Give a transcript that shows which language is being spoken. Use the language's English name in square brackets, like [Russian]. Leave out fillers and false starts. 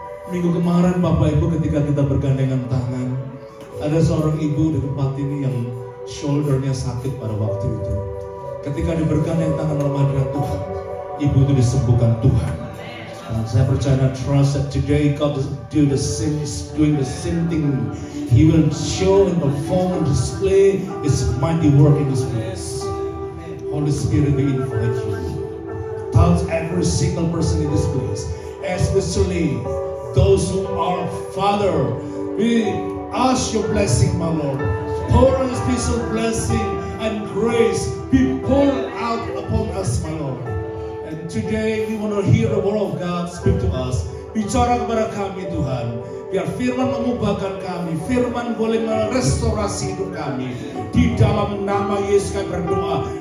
[Indonesian] Minggu kemarin Bapak Ibu ketika kita bergandengan tangan, ada seorang ibu di tempat ini yang shoulder-nya sakit pada waktu itu. Ketika dibergandeng tangan oleh hadirat Tuhan, ibu itu disembuhkan Tuhan. Dan saya percaya dan [English] trust that today God is doing the same thing. He will show and perform and display His mighty work in this place. Holy Spirit, we invite you. Touch every single person in this place, especially those who are Father. We ask your blessing, my Lord. Pour this piece of blessing and grace be poured out upon us, my Lord. And today we want to hear the word of God speak to us. [Indonesian] Bicara kepada kami, Tuhan. Biar firman mengubahkan kami. Firman boleh merestorasi hidup kami. Di dalam nama Yesus kami berdoa.